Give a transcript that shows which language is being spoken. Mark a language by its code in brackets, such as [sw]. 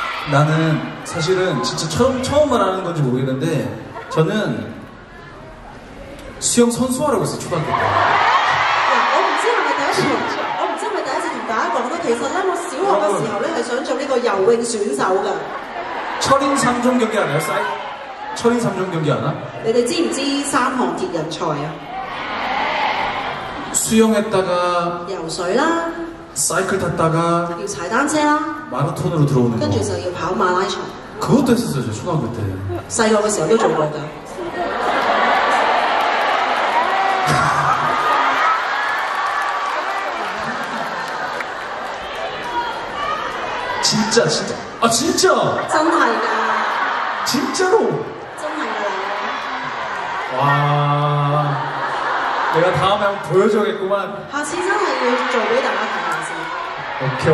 [ko] 나는 사실은 진짜 처음 말하는 건지 모르겠는데 저는 수영 선수하라고 했어, 초등학교 때. [yue] 我唔知系咪第一次同大家讲啦，其实咧我小学嘅时候咧系想做呢个游泳选手噶。 [ko] 철인 3종 경기 아니야? 철인 3종 경기 아나? [yue] 你哋知唔知三项铁人赛啊？ [ko] 수영했다가 [yue] 游水啦， [ko] 사이클 탔다가 [yue] 要踩单车啦， [ko] 마라톤으로 들어오는 거. [yue] 跟住就要跑马拉松。 [ko] 그것도 했었어요, 초등학교 때. [yue] 细个嘅时候都做过噶。 [ko] 진짜 아 진짜 [yue] 真的 [ko] 진짜로 [yue] 真的 [ko] 와 내가 다음에 한번 보여줘야겠구만. [yue] 下次真的要做俾大家睇下先.